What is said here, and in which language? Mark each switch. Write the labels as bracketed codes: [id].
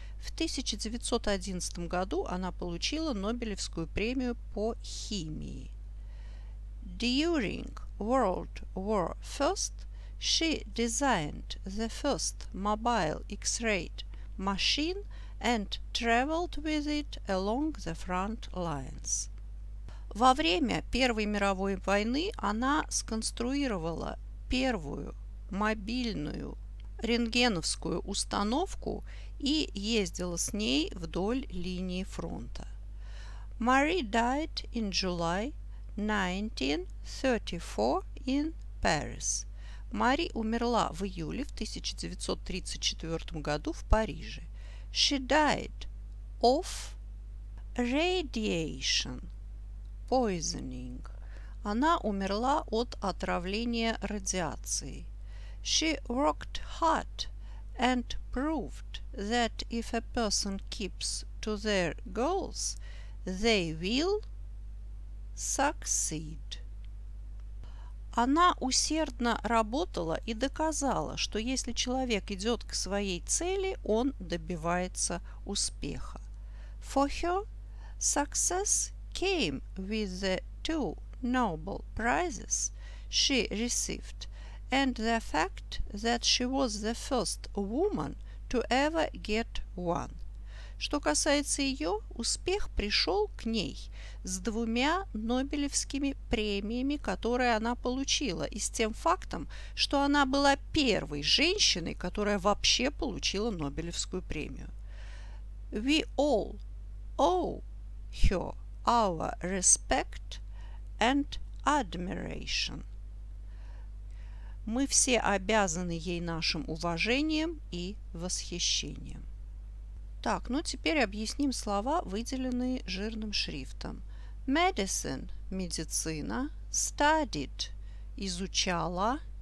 [ru] В 1911 году она получила Нобелевскую премию по химии. [en] During World War First she designed the first mobile X-ray machine and traveled with it along the front lines. [ru] Во время Первой мировой войны она сконструировала первую мобильную рентгеновскую установку и ездила с ней вдоль линии фронта. [en] Marie died in July 1934 in Paris. [ru] Мари умерла в июле в 1934 году в Париже. [en] She died of radiation poisoning. [ru] Она умерла от отравления радиацией. [en] She worked hard and proved that if a person keeps to their goals, they will succeed. [ru] Она усердно работала и доказала, что если человек идет к своей цели, он добивается успеха. [en] For her, success came with the two Nobel prizes she received and the fact that she was the first woman to ever get one. [ru] Что касается ее, успех пришел к ней с 2 Нобелевскими премиями, которые она получила, и с тем фактом, что она была первой женщиной, которая вообще получила Нобелевскую премию. [en] We all owe her our respect and admiration. [ru] Мы все обязаны ей нашим уважением и восхищением. Так, ну теперь объясним слова, выделенные жирным шрифтом. Medicine – медицина. Studied – изучала.